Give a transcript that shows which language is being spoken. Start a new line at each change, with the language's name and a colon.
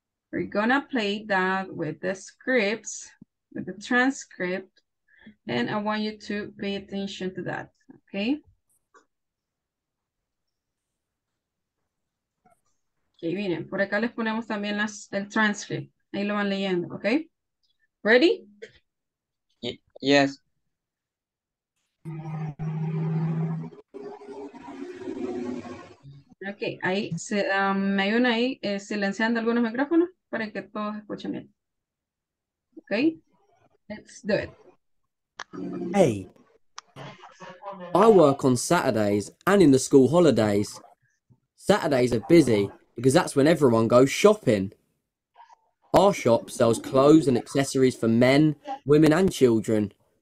English: We're gonna play that with the scripts, with the transcript, and I want you to pay attention to that, okay?
Spanish: Okay, miren, por acá les ponemos también el transcript. Ahí lo van leyendo, okay? Ready?
English: Yes.
Spanish: Okay, ahí se me ayuda ahí silenciando algunos micrófonos para que todos escuchen bien.
English: Okay, let's do it. Hey, I work on Saturdays and in the school holidays. Saturdays are busy because that's when everyone goes shopping. Our shop sells clothes and accessories for men, women and children.